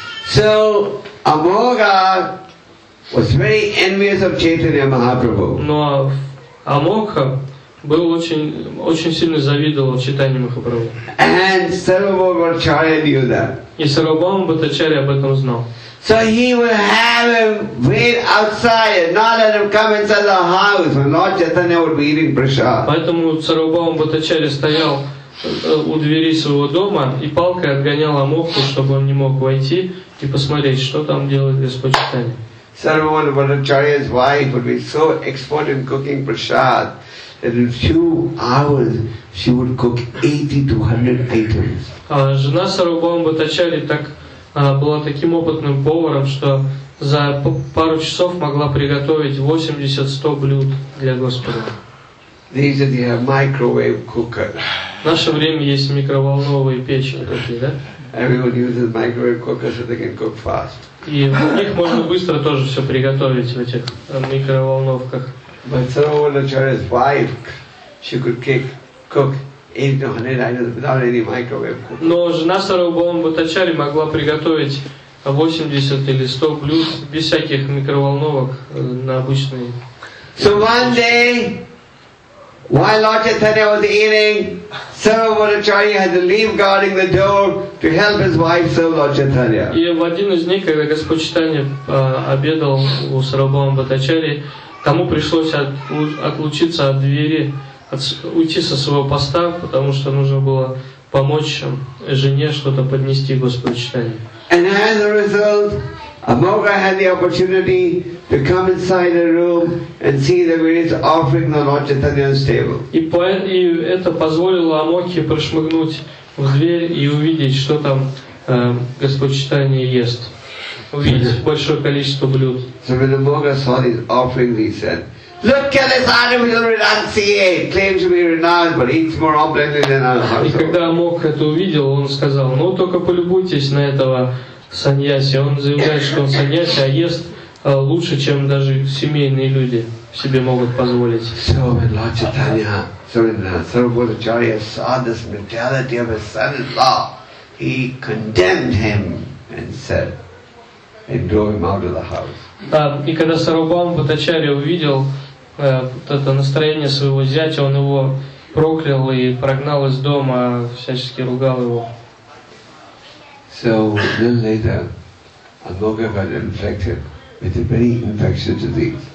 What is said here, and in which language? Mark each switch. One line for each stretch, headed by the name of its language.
English: So Amogha was very envious of Chaitanya Mahaprabhu.
Russian: Но Амогха был очень сильно завидовал Чайтанье Махапрабху.
English: And Сарвабхаума Бхаттачарья knew that.
Russian: И Сарвабхаума Бхаттачарья об этом знал.
English: So he will have him wait outside and not let him come inside the house when Lord Chaitanya would be eating prasad.
Russian: Поэтому Сарвабхаума Бхаттачарья стоял у двери своего дома и палкой отгонял Амогху, чтобы он не мог войти и посмотреть, что там делает Господь Чайтанья.
English: Сарвабхаума Бхаттачарья's wife would be so expert in cooking prasad that in few hours she would cook 80 to 100 items.
Russian: Жена Сарвабхаума Бхаттачарья так была таким опытным поваром, что за пару часов могла приготовить 80-100 блюд для Господа.
English: These are the microwave cooker.
Russian: В наше время есть микроволновые печи такие, да?
English: Everyone uses microwave cookers so they can cook fast.
Russian: И в них можно быстро тоже все приготовить в этих микроволновках.
English: But Sarvabhaumacharya's wife, she could cook 800 items without any microwave cooker.
Russian: Но жена Сарвабхаума Бхаттачарья могла приготовить 80 или 100 блюд без всяких микроволновок на обычные.
English: So one day, while Lord Chaitanya was eating, Sarvabhaumacharya Bhattacharya had to leave guarding the door to help his wife serve Lord Chaitanya.
Russian: И в один из дней, когда Господь Читания обедал у Сарвабхаума Бхаттачарьи, тому пришлось отлучиться от двери, уйти со своего поста, потому что нужно было помочь жене что-то поднести Господу Читания.
English: And as a result, Amogha had the opportunity to come inside the room and see the various offerings on Lord Chaitanya's table.
Russian: И это позволило Амогхе прошмыгнуть в дверь и увидеть, что там Господь Читания ест. Увидеть большое количество блюд.
English: So when Amogha saw his offering, he said, "Look at this animal renunciate, claims to be renowned, but eats more opulently than our household."
Russian: И когда Амогха это увидел, он сказал, "Ну только полюбуйтесь на этого саньяси. Он заявляет, что он саньяси, а ест лучше, чем даже семейные люди себе могут позволить."
English: So when Lord Chaitanya, Sarvabhaumacharya saw this mentality of his son-in-law, he condemned him and said, and drove him out of the house.
Russian: Да, и когда Сарвабхаума Бхаттачарья увидел вот это настроение своего зятя, он его проклял и прогнал из дома, всячески ругал его.
English: So then later, Амогха got infected with a very infectious disease.